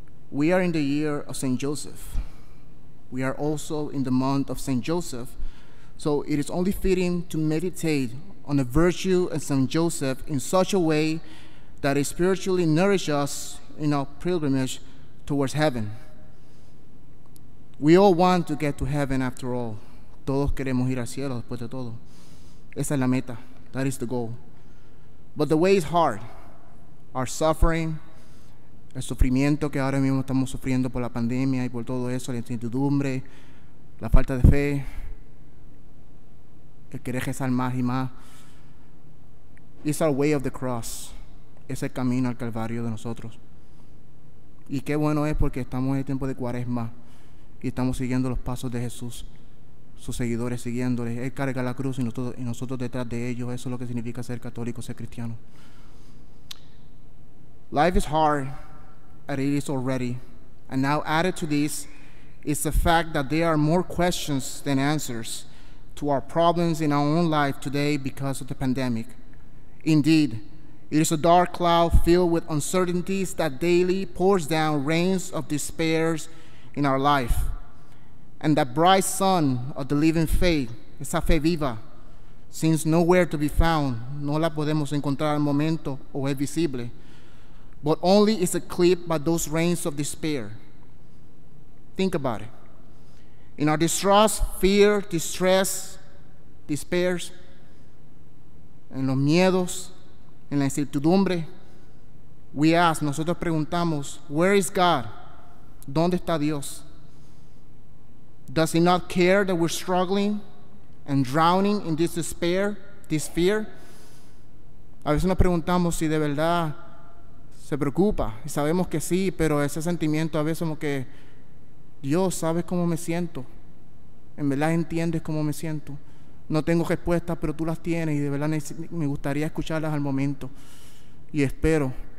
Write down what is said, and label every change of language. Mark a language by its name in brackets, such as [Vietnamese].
[English] We are in the year of Saint Joseph. We are also in the month of Saint Joseph. So it is only fitting to meditate on the virtue of Saint Joseph in such a way that it spiritually nourishes us in our pilgrimage towards heaven. We all want to get to heaven after all. [Spanish] Todos queremos ir al cielo después de todo. Esa es la meta. [English] That is the goal. But the way is hard. Our suffering, [Spanish] el sufrimiento que ahora mismo estamos sufriendo por la pandemia y por todo eso, la incertidumbre, la falta de fe, el querer rezar más y más. [English] It's our way of the cross. [Spanish] Es el camino al Calvario de nosotros. Y qué bueno es porque estamos en el tiempo de Cuaresma y estamos siguiendo los pasos de Jesús. Sus seguidores siguiéndoles. Él carga la cruz y nosotros detrás de ellos. Eso es lo que significa ser católico, ser cristiano. [English] Life is hard, and it is already. And now added to this is the fact that there are more questions than answers to our problems in our own life today because of the pandemic. Indeed, it is a dark cloud filled with uncertainties that daily pours down rains of despairs in our life. And that bright sun of the living faith, [Spanish] esa fe viva, [English] seems nowhere to be found, [Spanish] no la podemos encontrar al momento o es visible, [English] but only is eclipsed by those rains of despair. Think about it. In our distrust, fear, distress, despairs, [Spanish] en los miedos, en la incertidumbre, [English] we ask, [Spanish] nosotros preguntamos, [English] where is God? [Spanish] ¿Dónde está Dios? [English] Does he not care that we're struggling and drowning in this despair, this fear? [Spanish] A veces nos preguntamos si de verdad se preocupa. Y sabemos que sí, pero ese sentimiento a veces como que, Dios, ¿sabes cómo me siento? En verdad entiendes cómo me siento. No tengo respuestas, pero tú las tienes y de verdad me gustaría escucharlas al momento. Y espero.